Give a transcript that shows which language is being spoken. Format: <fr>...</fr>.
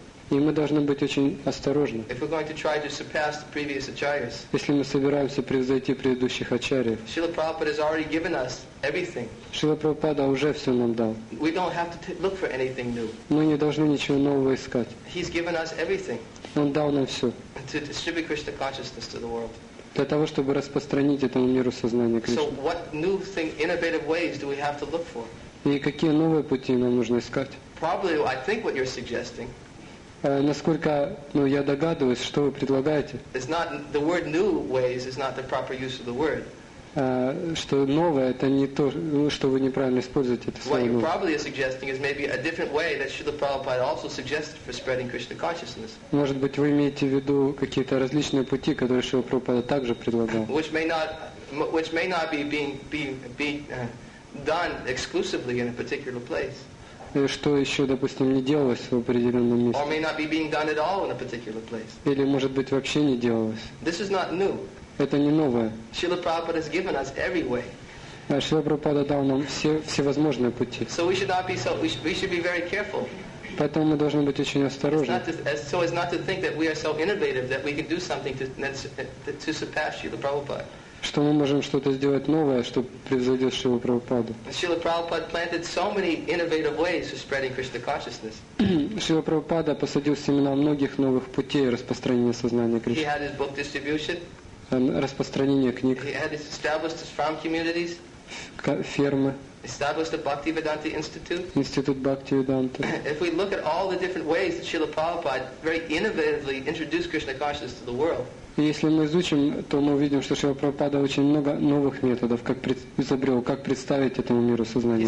<ru>И мы должны быть очень осторожны.</ru> <en>If we're going to try to surpass the previous acharyas,</en> <ru>если мы собираемся превзойти предыдущих ачарьев,</ru> <en>Srila Prabhupada has already given us everything.</en> <ru>Srila Prabhupada уже все нам дал.</ru> <en>We don't have to look for anything new.</en> <ru>Мы не должны ничего нового искать.</ru> <en>He's given us everything.</en> <ru>Он дал нам все.</ru> <en>To distribute Krishna consciousness to the world.</en> <ru>Для того, чтобы распространить этому миру сознание Кришны.</ru> <en>So what new thing, innovative ways do we have to look for?</en> <ru>И какие новые пути нам нужно искать?</ru> <en>Probably, I think what you're suggesting.</en> <ru>Насколько, ну, я догадываюсь, что вы предлагаете.</ru> <en>It's not, the word new ways is not the proper use of the word.</en> <ru>Что новое, это не то, ну, что вы неправильно используете это слово.</ru> <en>What you're probably suggesting is maybe a different way that Srila Prabhupada also suggested for spreading Krishna consciousness.</en> <ru>Может быть, вы имеете в виду какие-то различные пути, которые Шрила Прабхупада также предлагал.</ru> <en>Which may not be done exclusively in a particular place.</en> <ru>что еще, допустим, не делалось в определенном месте.</ru> <en>Or may not be being done at all in a particular place.</en> <ru>Или, может быть, вообще не делалось.</ru> <en>This is not new.</en> <ru>Это не новое.</ru> <en>Шрила Прабхупада has given us every way.</en> <ru>Шрила Прабхупада дал нам всевозможные пути.</ru> <en>So we should not be so, we should be very careful.</en> <ru>Поэтому мы должны быть очень осторожны.</ru> <en>So as not to think that we are so innovative that we can do something to surpass Srila Prabhupada.</en> <ru>Что мы можем что-то сделать новое, чтобы превзойти Шрилу Прабхупаду.</ru> <en>Шрила Прабхупада planted so many innovative ways for spreading Krishna consciousness.</en> <ru>Шрила Прабхупада посадил семена многих новых путей распространения сознания Кришны.</ru> <en>He had his book distribution.</en> <ru>Распространение книг.</ru> <en>He had established his farm communities.</en> <ru>Фермы.</ru> <en>Established a Bhakti Vedanta Institute.</en> <ru>Институт Бхакти Веданта.</ru> <en>If we look at all the different ways that Srila Prabhupada very innovatively introduced Krishna consciousness to the world.</en> <ru>Если мы изучим, то мы увидим, что Шрила Прабхупада очень много новых методов, как изобрел, как представить этому миру сознание</ru>